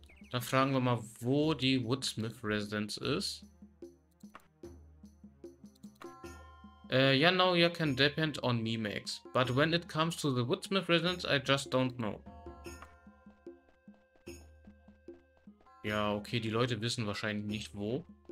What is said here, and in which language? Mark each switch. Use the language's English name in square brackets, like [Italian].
[German] Dann fragen wir mal, wo die Woodsmith Residence ist. [English] Yeah, now you can depend on me, Max. But when it comes to the Woodsmith Residence, I just don't know. [German] Ja, okay, die Leute wissen wahrscheinlich nicht wo.